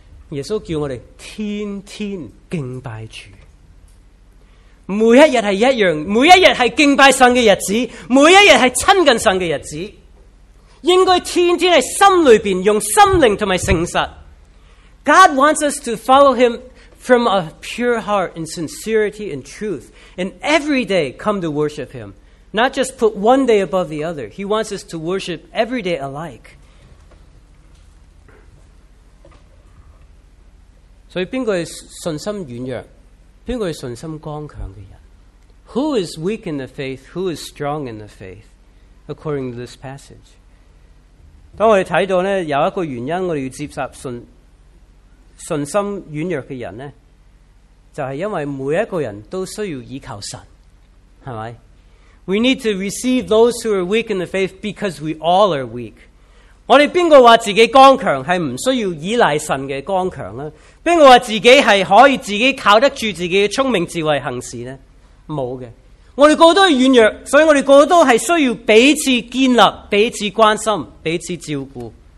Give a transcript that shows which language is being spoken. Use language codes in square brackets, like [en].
[zh] 耶稣叫我们天天敬拜主，每一日是一样，每一日是敬拜神的日子，每一日是亲近神的日子，应该天天在心里面用心灵和诚实。 [en] God wants us to follow him from a pure heart in sincerity and truth and every day come to worship him, not just put one day above the other. He wants us to worship every day alike. [zh] 所以誰是信心軟弱，誰是信心剛強的人？ [en] Who is weak in the faith? Who is strong in the faith? According to this passage. [zh] 當我們看到有一個原因我們要接受信心軟弱的人，就是因為每一個人都需要依靠神，是不是？ [en] We need to receive those who are weak in the faith because we all are weak. [zh] 我们谁说自己刚强是不需要依赖神的刚强？谁说自己是可以自己靠得住自己的聪明智慧行事呢？没有的。我们个个都是软弱，所以我们个个都是需要彼此建立、彼此关心、彼此照顾。